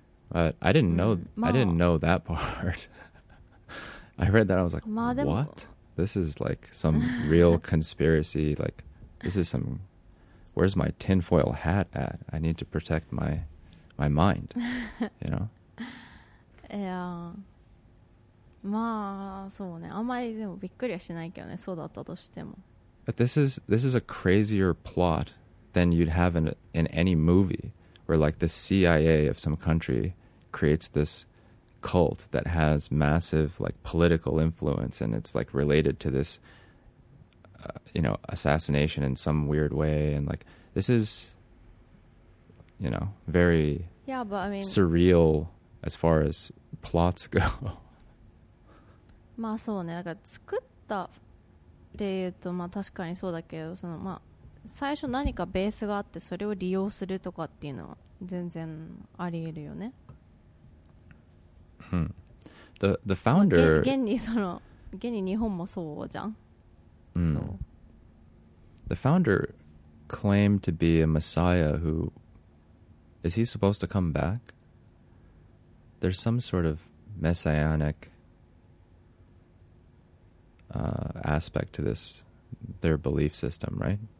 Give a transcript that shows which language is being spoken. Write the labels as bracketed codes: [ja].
[en] But I didn't know,、mm. I didn't know that part. I read that, I was like, what? This is like some real conspiracy, like this is some... Where's my tinfoil hat at? I need to protect my mind, you know? Yeah. [ja] まあ、そうね。あんまりでもびっくりはしないけどね。そうだったとしても。 [en] But this is a crazier plot than you'd have in any movie where like the CIA of some country creates this cult that has massive like political influence and it's like related to this... you know, assassination in some weird way and like, this is you know, very yeah, but I mean, surreal as far as plots go [ja] まあそうねだから作ったっていうとまあ確かにそうだけどそのまあ最初何かベースがあってそれを利用するとかっていうのは全然あり得るよね、 [en] hmm. The founder、ま [ja] あ、現に日本もそうじゃん [en] Mm. So. The founder claimed to be a messiah who is he supposed to come back? There's some sort of messianic aspect to this, their belief system, right?